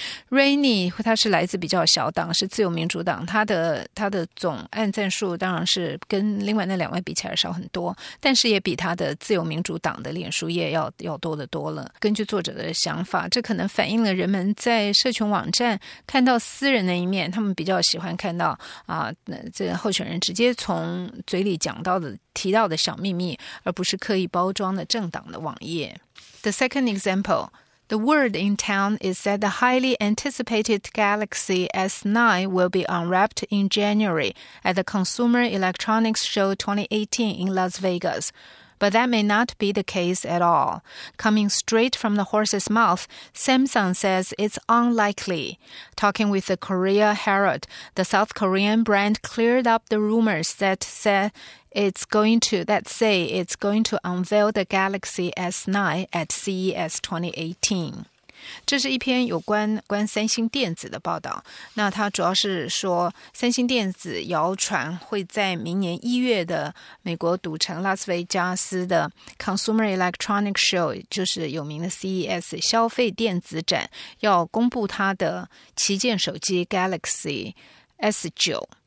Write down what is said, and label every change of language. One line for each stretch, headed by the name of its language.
Chinese: Rainey 他是来自比较小党，是自由民主党，他的总按赞数当然是跟另外那两位比起来少很多，但是也比他的自由民主党的脸书页 要多得多了。根据作者的想法，这可能反映了人们在社群网站看到私人的一面，他们比较喜欢看到这候选人直接从嘴里讲到的提到的小秘密，而不是刻意包装的政党的网页。
English: The second example, the word in town is that the highly anticipated Galaxy S9 will be unwrapped in January at the Consumer Electronics Show 2018 in Las Vegas. But that may not be the case at all. Coming straight from the horse's mouth, Samsung says it's unlikely. Talking with the Korea Herald, the South Korean brand cleared up the rumors that said,it's going to unveil the Galaxy S9 at CES 2018.
Chinese: 这是一篇有关三星电子的报道。那它主要是说，三星电子谣传会在明年一月的美国赌城拉斯维加斯的 Consumer Electronics Show， 就是有名的 CES 消费电子展，要公布它的旗舰手机 Galaxy S9。